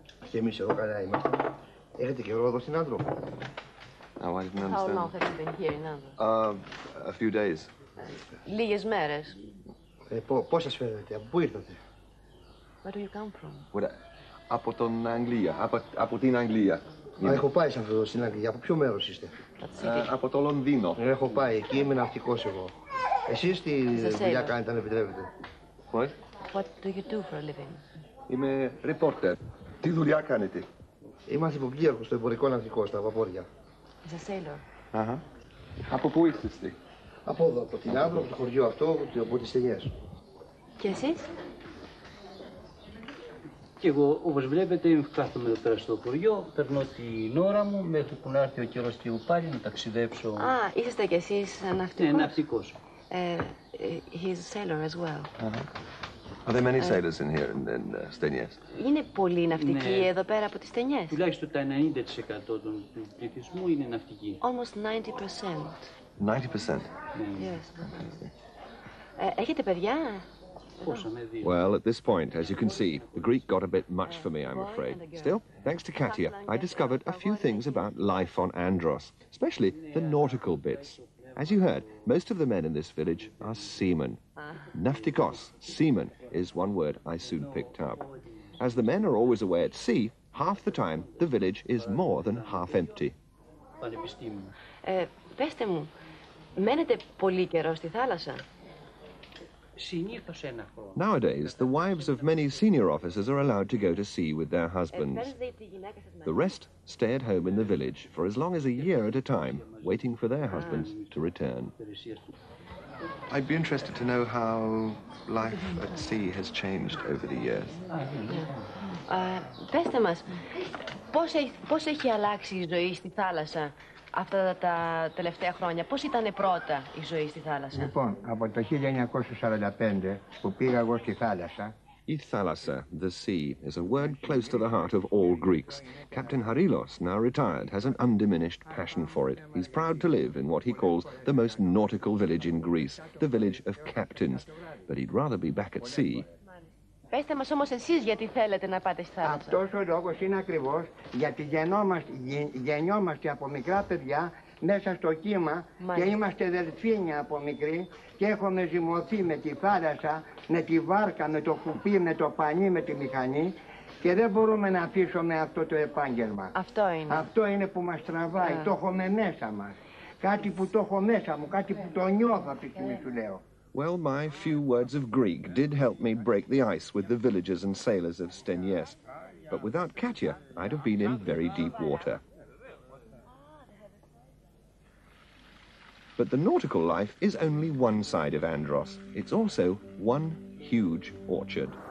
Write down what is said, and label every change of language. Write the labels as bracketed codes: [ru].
[el] Και εμείς εδώ καλά είμαστε. Έχετε καιρό εδώ στην Άνδρο? [en] How long have you been here in Andro? A few days. [el] Λίγες μέρες. Πώς σας φέρετε, από πού ήρθατε? [en] Where do you come from? [el] Από την Αγγλία. Από την Αγγλία. Έχω πάει σε αυτό στην Αγγλία. Από ποιο μέρος είστε? Από το Λονδίνο. Έχω πάει εκεί, είμαι ναυτικός εγώ. Εσείς τι δουλειά κάνετε, αν επιτρέπετε? [en] What do you do for a living? [el] Είμαι reporter. Τι δουλειά κάνετε? Είμαστε υποπλήρχος στο εμπορικό ναυτικό στα βαπόρια. [en] As a sailor. [el] Uh-huh. Από πού είσαστε? Από εδώ, από την Άνδρο, από το χωριό αυτό, από τις Στενιές. Και εσείς? Κι εγώ, όπως βλέπετε, κάθομαι εδώ πέρα στο χωριό, περνώ την ώρα μου, μέχρι που να έρθει ο καιρός και πάλι να ταξιδέψω. Α, είσαστε κι εσείς ναυτικός. Ναι, ναυτικός. [en] He's a sailor as well. Uh-huh. Are there many sailors in here in Stenies? [el] Είναι πολύ ναυτική εδώ πέρα από τις Στενιές. Τουλάχιστον τα 90% του πληθυσμού είναι ναυτική. [en] Almost 90%. 90%. Yes. [el] Έχετε παιδιά? [en] Well, at this point, as you can see, the Greek got a bit much for me, I'm afraid. Still, thanks to Katia, I discovered a few things about life on Andros, especially the nautical bits. As you heard, most of the men in this village are seamen. Ναυτικός, seamen, is one word I soon picked up. As the men are always away at sea, half the time the village is more than half empty. [el] Πέστε μου, μένετε πολύ καιρό στη θάλασσα? Συνήθως ένα χρόνο. [en] Nowadays, the wives of many senior officers are allowed to go to sea with their husbands. The rest stay at home in the village for as long as a year at a time, waiting for their husbands to return. I'd be interested to know how life at sea has changed over the years. [el] Πέστε μας, πώς έχει αλλάξει η ζωή στη θάλασσα αυτά τα τελευταία χρόνια, πώς ήταν πρώτα η ζωή στη θάλασσα. Λοιπόν, από το 1945 που πήγα εγώ στη θάλασσα. [en] Η θάλασσα, the sea, is a word close to the heart of all Greeks. Captain Harilos, now retired, has an undiminished passion for it. He's proud to live in what he calls the most nautical village in Greece, the village of captains. But he'd rather be back at sea. [el] Πέστε μας όμως εσείς γιατί θέλετε να πάτε στη θάλασσα. Αυτός ο λόγος είναι ακριβώς γιατί γεννιόμαστε από μικρά παιδιά μέσα στο κύμα. Μάλιστα. Και είμαστε δελφίνια από μικροί και έχουμε ζυμωθεί με τη θάλασσα, με τη βάρκα, με το κουπί, με το πανί, με τη μηχανή και δεν μπορούμε να αφήσουμε αυτό το επάγγελμα. Αυτό είναι. Αυτό είναι που μας τραβάει, το έχουμε μέσα μας. Κάτι που το έχω μέσα μου, κάτι που το νιώθω αυτή τη στιγμή σου λέω. [en] Well, my few words of Greek did help me break the ice with the villagers and sailors of Stenies. But without Katia, I'd have been in very deep water. But the nautical life is only one side of Andros. It's also one huge orchard.